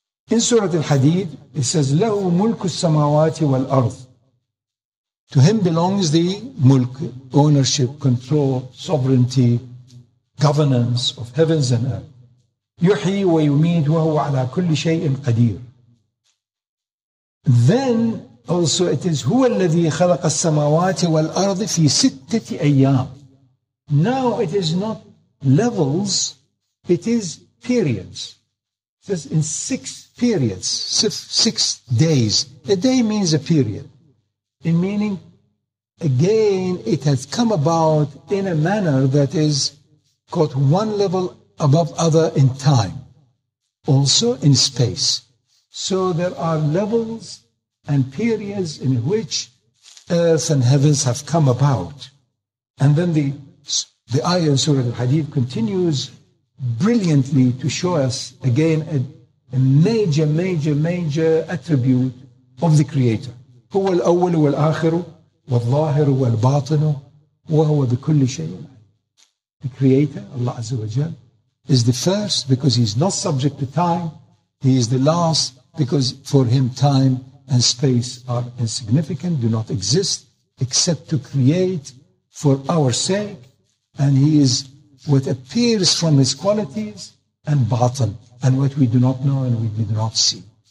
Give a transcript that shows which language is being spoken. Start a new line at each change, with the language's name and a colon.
English: In Surah Al-Hadid, it says,
Arabic: لَهُ مُلْكُ السَّمَاوَاتِ وَالْأَرْضِ.
English: To him belongs the mulk, ownership, control, sovereignty, governance of heavens and earth.
Arabic: يُحْيِي وَيُمِيدْ وَهُوَ عَلَىٰ كُلِّ شَيْءٍ قَدِيرٍ.
English: Then, also, it is
Arabic: هو الذي خلق السماوات والأرض في ستة أيام.
English: Now, it is not levels, it is periods. It says in six periods, six days. A day means a period. In meaning, again, it has come about in a manner that is got one level above other in time, also in space. So there are levels and periods in which earth and heavens have come about. And then the ayah in Surah Al-Hadid continues brilliantly to show us again a major, major, major attribute of the Creator.
Arabic: هو الأول والآخر والظاهر والباطن وهو بكل شيء.
English: The Creator, Allah Azza wa Jal, is the first because He is not subject to time. He is the last because for Him time and space are insignificant, do not exist except to create for our sake. And He is what appears from His qualities and batin, and what we do not know and we do not see.